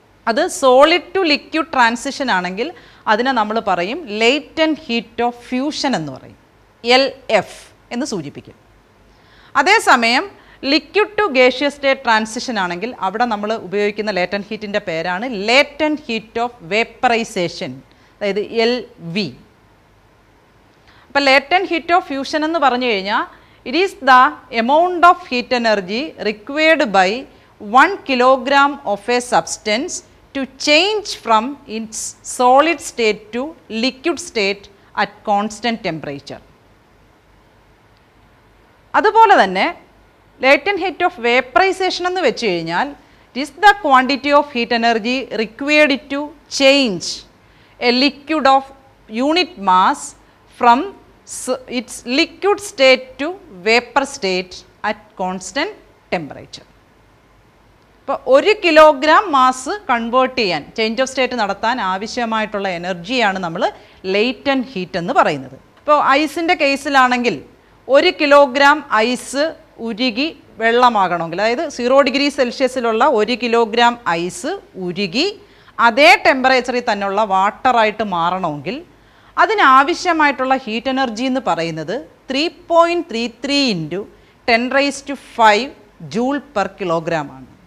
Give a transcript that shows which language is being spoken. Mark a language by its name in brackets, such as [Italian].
[Malayalam] അത് solid to liquid transition ആണെങ്കിൽ അതിനെ നമ്മൾ പറയും ലേറ്റൻറ്റ് ഹീറ്റ് ഓഫ് ഫ്യൂഷൻ എന്ന് പറയും, LF എന്ന് സൂചിപ്പിക്കും. അതേസമയം liquid to gaseous state transition ആണെങ്കിൽ അവിടെ നമ്മൾ ഉപയോഗിക്കുന്ന ലേറ്റൻറ്റ് ഹീറ്റിൻ്റെ പേരാണ് ലേറ്റൻറ്റ് ഹീറ്റ് ഓഫ് വേപ്പറൈസേഷൻ, അതായത് LV. അപ്പോൾ ലേറ്റൻറ്റ് ഹീറ്റ് ഓഫ് ഫ്യൂഷൻ എന്ന് പറഞ്ഞു കഴിഞ്ഞാൽ [English] It is the amount of heat energy required by 1 kilogram of a substance to change from its solid state to liquid state at constant temperature. [Malayalam] Adupole thanne [English] latent heat of vaporization [Malayalam] ennu vechu kaniyal, [English] it is the quantity of heat energy required to change a liquid of unit mass from its liquid state to vapor state at constant temperature. [Malayalam] അപ്പോൾ ഒരു kilogram mass convert ചെയ്യാൻ, change of state നടത്താൻ ആവശ്യമായിട്ടുള്ള എനർജിയാണ് നമ്മൾ latent heat എന്ന് പറയുന്നത്. ഇപ്പോൾ ഐസിൻ്റെ കേസിലാണെങ്കിൽ ഒരു കിലോഗ്രാം ഐസ് ഉരുകി വെള്ളമാകണമെങ്കിൽ, അതായത് 0 ഡിഗ്രി സെൽഷ്യസിലുള്ള ഒരു കിലോഗ്രാം ഐസ് ഉരുകി അതേ ടെമ്പറേച്ചറിൽ തന്നെയുള്ള വാട്ടറായിട്ട് മാറണമെങ്കിൽ അതിനാവശ്യമായിട്ടുള്ള ഹീറ്റ് എനർജി എന്ന് പറയുന്നത് 3.33 × 10⁵ ജൂൾ പെർ കിലോഗ്രാം ആണ്.